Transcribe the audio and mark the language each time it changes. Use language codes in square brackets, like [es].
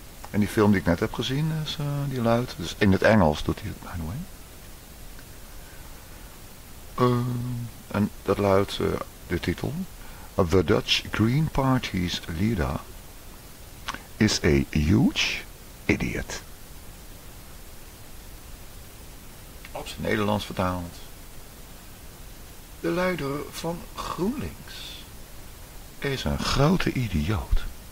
[nl] En die film die ik net heb gezien, is, die luidt. Dus in het Engels doet hij het, [en] by the way. [nl] En dat luidt. De titel, [en] The Dutch Green Party's Leader is a Huge Idiot. [nl] Op zijn Nederlands vertaald. De leider van GroenLinks is een grote idioot.